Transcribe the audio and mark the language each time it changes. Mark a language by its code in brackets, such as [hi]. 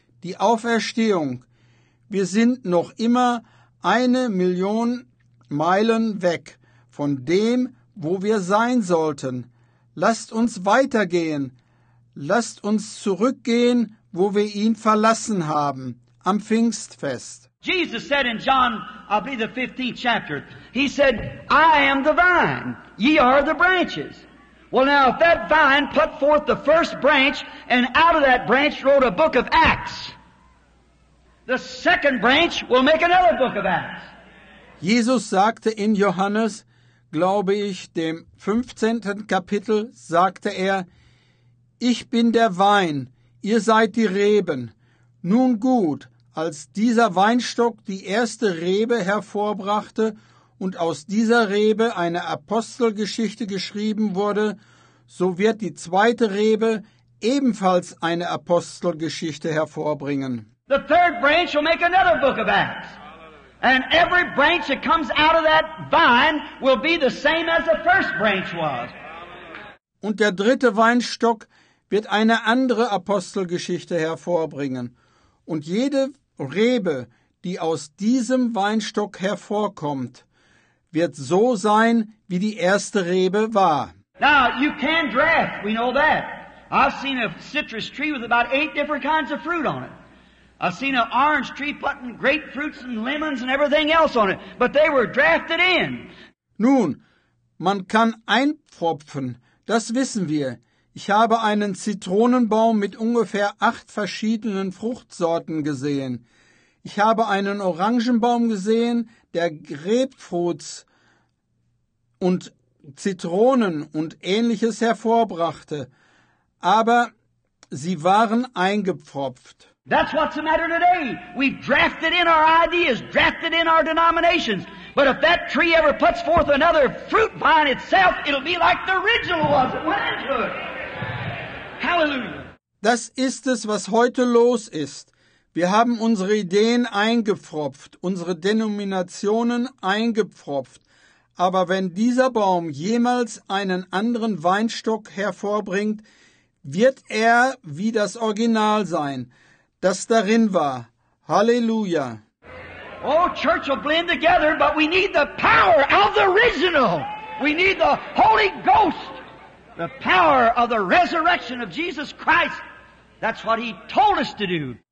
[de] Die Auferstehung. Wir sind noch immer 1 Million Meilen weg von dem, wo wir sein sollten. Lasst uns weitergehen. Lasst uns zurückgehen, wo wir ihn verlassen haben, am Pfingstfest. [en] Jesus said in John, I'll be the 15th chapter, he said, I am the vine, ye are the branches. Well now, if that vine put forth the first branch, and out of that branch wrote a book of Acts, the second branch will make another book of Acts. [de] Jesus sagte in Johannes, glaube ich, dem 15. Kapitel, sagte er, ich bin der Vein, ihr seid die Reben. Nun gut, als dieser Weinstock die erste Rebe hervorbrachte und aus dieser Rebe eine Apostelgeschichte geschrieben wurde, so wird die zweite Rebe ebenfalls eine Apostelgeschichte hervorbringen. [en] The third branch will make another book of Acts. And every branch that comes out of that vine will be the same as the first branch was. [de] Und der dritte Weinstock wird eine andere Apostelgeschichte hervorbringen. Und jede Rebe, die aus diesem Weinstock hervorkommt, wird so sein, wie die erste Rebe war. [en] Now, you can draft, we know that. I've seen a citrus tree with about 8 different kinds of fruit on it. I've seen an orange tree putting grapefruits and lemons and everything else on it, but they were drafted in. [de] Nun, man kann einpfropfen, das wissen wir. Ich habe einen Zitronenbaum mit ungefähr 8 verschiedenen Fruchtsorten gesehen. Ich habe einen Orangenbaum gesehen, der Grapefruits und Zitronen und Ähnliches hervorbrachte, aber sie waren eingepfropft. [en] That's what's the matter today. We've drafted in our ideas, drafted in our denominations. But if that tree ever puts forth another fruit vine itself, it'll be like the original was it went into it. Hallelujah. [de] Das ist es, was heute los ist. Wir haben unsere Ideen eingepfropft, unsere Denominationen eingepfropft. Aber wenn dieser Baum jemals einen anderen Weinstock hervorbringt, wird er wie das Original sein, das darin war. Halleluja. [en] Oh, church will blend together, but we need the power of the original. We need the Holy Ghost. The power of the resurrection of Jesus Christ. That's what he told us to do.